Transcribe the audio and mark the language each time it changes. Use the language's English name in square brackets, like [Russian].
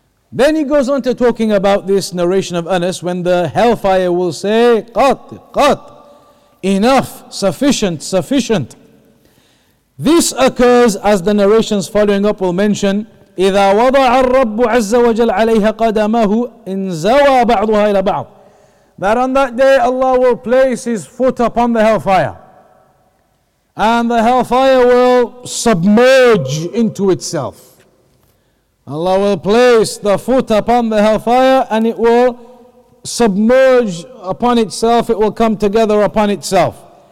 [English] Then he goes on to talking about this narration of Anas, when the hellfire will say, Qat, Qat, enough, sufficient, sufficient. This occurs, as the narrations following up will mention, [Arabic] إِذَا وَضَعَ الرَّبُّ عَزَّ وَجَلْ عَلَيْهَ قَدَمَهُ إِنْ زَوَى بَعْضُهَا إِلَى بَعْضٍ. [English] That on that day Allah will place His foot upon the hellfire, and the hellfire will submerge into itself. Allah will place the foot upon the hellfire and it will submerge upon itself, it will come together upon itself.